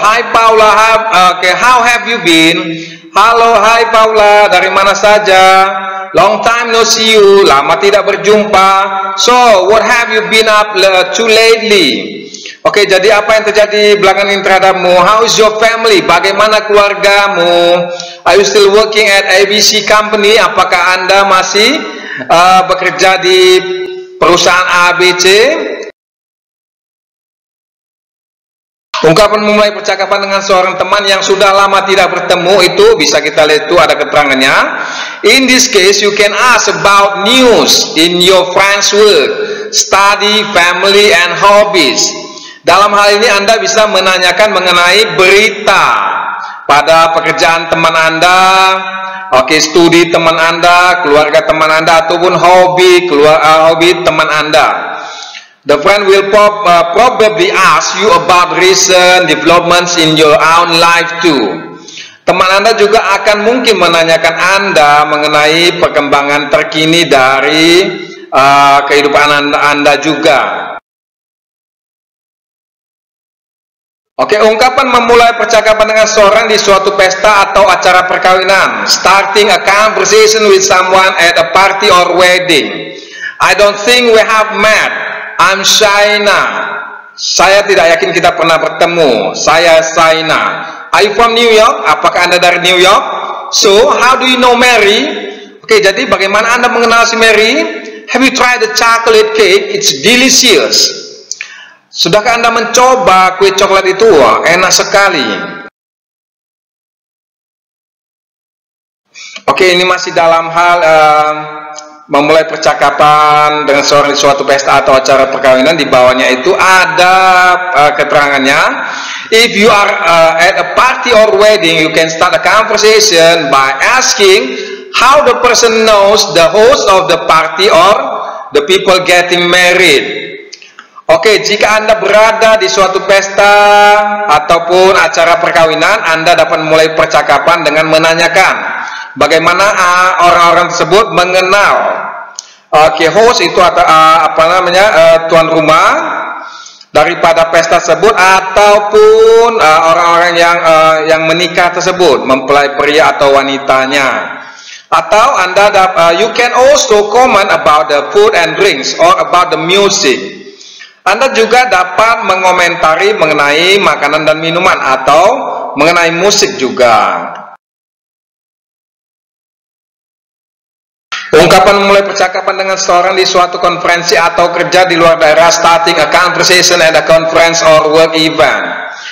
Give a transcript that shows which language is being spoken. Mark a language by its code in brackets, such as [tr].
[en] Hi Paula, how have you been? [id] Halo, hi Paula, dari mana saja? [en] Long time no see you, [id] lama tidak berjumpa. [en] So, what have you been up to lately? [id] Okay, jadi apa yang terjadi belakangan ini terhadapmu? [en] How is your family? [id] Bagaimana keluargamu? [en] Are you still working at ABC Company? [id] Apakah Anda masih bekerja di perusahaan ABC? Ungkapan memulai percakapan dengan seorang teman yang sudah lama tidak bertemu itu bisa kita lihat itu ada keterangannya. [en] In this case, you can ask about news in your friend's work, study, family, and hobbies. [id] Dalam hal ini Anda bisa menanyakan mengenai berita pada pekerjaan teman Anda, studi teman Anda, keluarga teman Anda, ataupun hobi teman Anda. [en] The friend will probably ask you about recent developments in your own life too. [id] Teman Anda juga akan mungkin menanyakan Anda mengenai perkembangan terkini dari kehidupan Anda juga. Ungkapan memulai percakapan dengan seorang di suatu pesta atau acara perkawinan. [en] Starting a conversation with someone at a party or wedding. I don't think we have met. I'm Shaina. [id] Saya tidak yakin kita pernah bertemu. Saya Shaina. [en] Are you from New York? [id] Apakah Anda dari New York? [en] So, how do you know Mary? [id] Jadi bagaimana Anda mengenal si Mary? [en] Have you tried the chocolate cake? It's delicious. [id] Sudahkah Anda mencoba kue coklat itu? Wah, enak sekali. Ini masih dalam hal memulai percakapan dengan seorang di suatu pesta atau acara perkawinan. Di bawahnya itu ada keterangannya. [en] If you are at a party or wedding, you can start a conversation by asking how the person knows the host of the party or the people getting married. [id] Jika Anda berada di suatu pesta ataupun acara perkawinan, Anda dapat mulai percakapan dengan menanyakan bagaimana orang-orang tersebut mengenal host itu atau tuan rumah daripada pesta tersebut ataupun orang-orang yang menikah tersebut, mempelai pria atau wanitanya. Atau Anda dapat [en] you can also comment about the food and drinks or about the music. [id] Anda juga dapat mengomentari mengenai makanan dan minuman atau mengenai musik juga. Ungkapan memulai percakapan dengan seorang di suatu konferensi atau kerja di luar daerah. [en] Starting a conversation at a conference or work event.